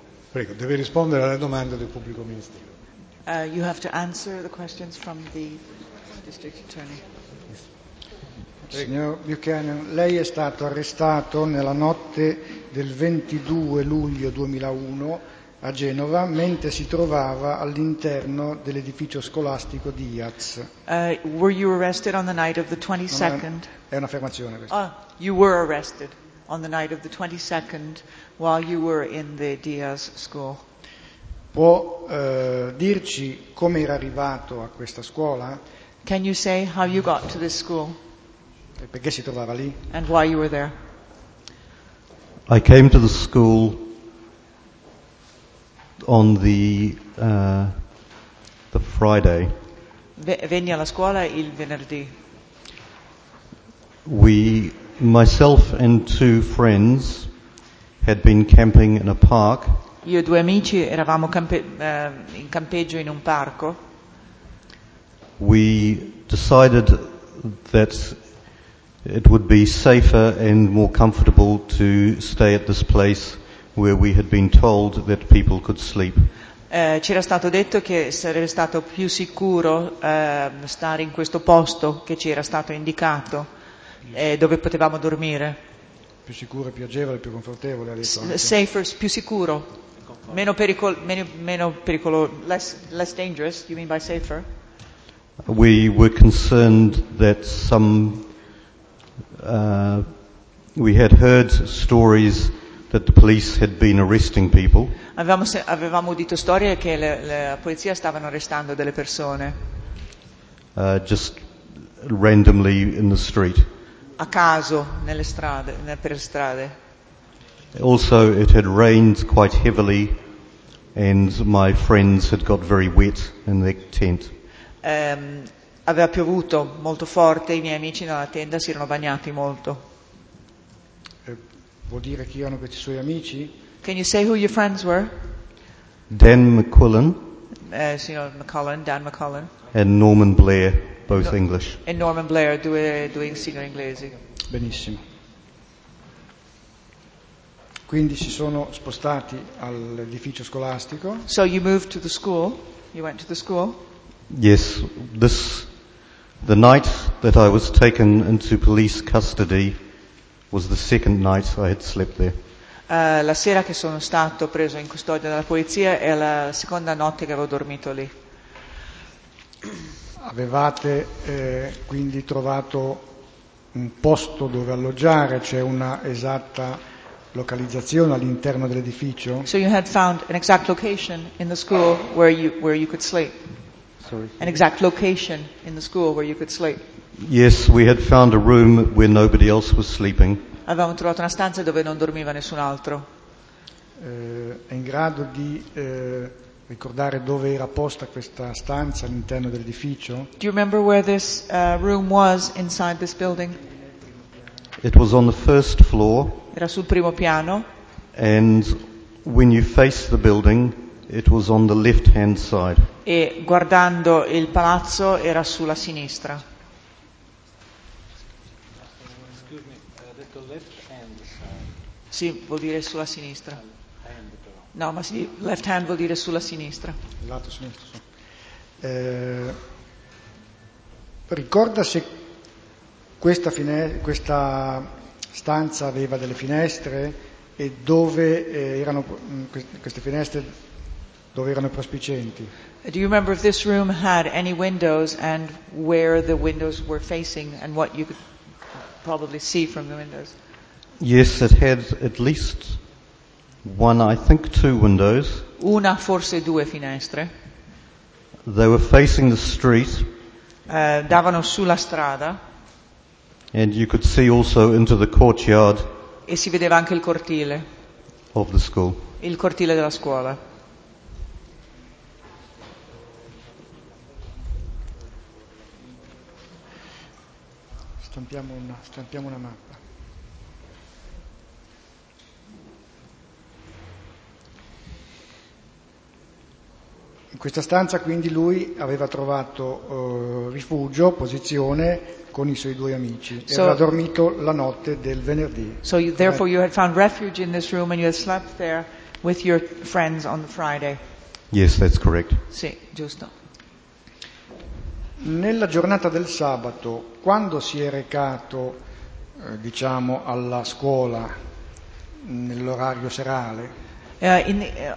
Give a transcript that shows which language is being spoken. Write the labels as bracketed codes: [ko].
[it] Prego, deve rispondere alle domande del pubblico ministero. [en] You have to answer the questions from the district attorney. [it] Signor Buchanan, lei è stato arrestato nella notte del 22 luglio 2001 a Genova mentre si trovava all'interno dell'edificio scolastico Diaz. [en] Were you arrested on the night of the 22nd? [it] È un'affermazione questa. [en] You were arrested on the night of the 22nd while you were in the Diaz school. [it] Può dirci come era arrivato a questa scuola? [en] Can you say how you got to this school? [it] E perché si trovava lì? [en] And why you were there? I came to the school on the Friday. [it] Veni alla scuola il venerdì. [en] We, myself and two friends, had been camping in a park. [it] Io e due amici eravamo in campeggio in un parco. [en] We decided that it would be safer and more comfortable to stay at this place where we had been told that people could sleep. [it] C'era stato detto che sarebbe stato più sicuro stare in questo posto che ci era stato indicato, dove potevamo dormire. Più sicuro, più agevole, più confortevole. [en] Safer, [it] più sicuro. Meno pericolo, meno pericolo, [en] less dangerous, you mean by safer? We were concerned that some, we had heard stories that the police had been arresting people. [it] Avevamo udito storie che la polizia stavano arrestando delle persone. [en] Just randomly in the street. [it] A caso nelle strade, per strade. [en] Also, it had rained quite heavily, and my friends had got very wet in their tent. [it] Aveva piovuto molto forte, i miei amici nella tenda si erano bagnati molto. Vuol dire chi erano questi suoi amici? [en] Can you say who your friends were? Dan McCullen. [it] Signor McCullen, Dan McCullen. [en] And Norman Blair, both English. [it] And Norman Blair, due signor inglesi. Benissimo. Quindi si sono spostati all'edificio scolastico. [en] So you moved to the school? You went to the school? Yes. The night that I was taken into police custody was the second night I had slept there. [it] La sera che sono stato preso in custodia dalla polizia è la seconda notte che avevo dormito lì. Avevate quindi trovato un posto dove alloggiare, c'è una esatta localizzazione all'interno dell'edificio? [en] So you had found an exact location in the school where you could sleep. Sorry. An exact location in the school where you could sleep. Yes, we had found a room where nobody else was sleeping. [it] Avevamo trovato una stanza dove non dormiva nessun altro. È in grado di ricordare dove era posta questa stanza all'interno dell'edificio? [en] Do you remember where this room was inside this building? It was on the first floor. [it] Era sul primo piano. [en] And when you face the building, it was on the left-hand side. [it] E guardando il palazzo era sulla sinistra. Sì, vuol dire sulla sinistra. No, ma sì, [en] left hand [it] vuol dire sulla sinistra. Il lato sinistro. Ricorda se questa stanza aveva delle finestre e dove erano queste finestre, dove erano prospicienti? [en] Do you remember if this room had any windows and where the windows were facing and what you could probably see from the windows? Yes, it had at least one, I think two windows. [it] Una, forse due finestre. [en] They were facing the street. [it] Davano sulla strada. [en] And you could see also into the courtyard. [it] E si vedeva anche il cortile. [en] Of the school. [it] Il cortile della scuola. Stampiamo una mappa. In questa stanza quindi lui aveva trovato rifugio, posizione con i suoi due amici e aveva dormito la notte del venerdì. [en] So you, therefore you had found refuge in this room and you had slept there with your friends on the Friday. Yes, that's correct. [it] Sì, giusto. Nella giornata del sabato, quando si è recato, diciamo, alla scuola nell'orario serale?